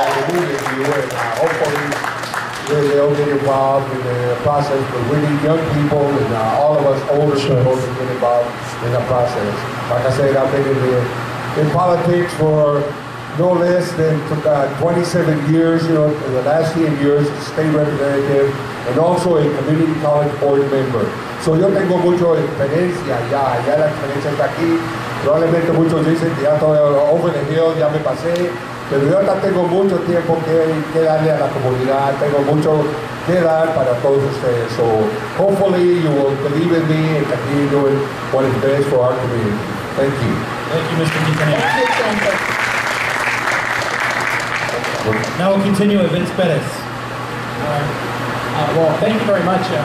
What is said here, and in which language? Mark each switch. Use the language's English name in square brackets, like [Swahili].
[English] Hopefully they'll get involved in the process, but we need young people and all of us older people to get involved in the process. Like I said, I've been in politics for no less than 27 years, you know, in the last 10 years, state representative, and also a community college board member. [Spanish] So yo tengo mucho experiencia ya, ya la experiencia está aquí. Probablemente muchos dicen que ya estoy [English] over the hill, [Spanish] ya me pasé. Pero yo ahora tengo mucho tiempo que darle a la comunidad, tengo mucho que dar para todos ustedes. [English] So hopefully you will believe in me and continue doing what is best for our community. Thank you. Thank you, Mr. Quintanilla. Now we'll continue with Vince Perez. Well, thank you very much.